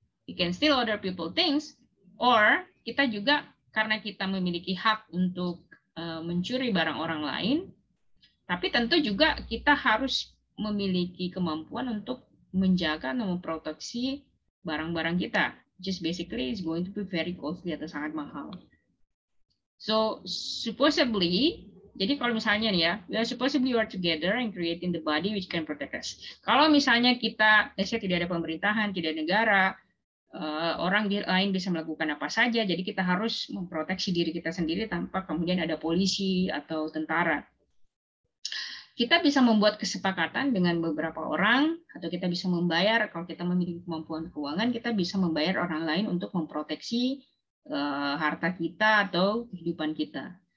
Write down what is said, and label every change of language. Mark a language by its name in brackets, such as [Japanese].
[English] You can steal other people things, [Indonesian] or kita juga karena kita memiliki hak untuk mencuri barang orang lain, tapi tentu juga kita harus memiliki kemampuan untuk menjaga atau memproteksi barang-barang kita. [English] Just basically is going to be very costly [Indonesian] atau sangat mahal. [English] So supposedly, [Indonesian] jadi kalau misalnya nih, ya, [English] we are supposedly work together and creating the body which can protect us. [Indonesian] Kalau misalnya kita, misalnya tidak ada pemerintahan, tidak ada negara, orang lain bisa melakukan apa saja, jadi kita harus memproteksi diri kita sendiri tanpa kemudian ada polisi atau tentara. Kita bisa membuat kesepakatan dengan beberapa orang, atau kita bisa membayar, kalau kita memiliki kemampuan keuangan, kita bisa membayar orang lain untuk memproteksi harta kita atau kehidupan kita.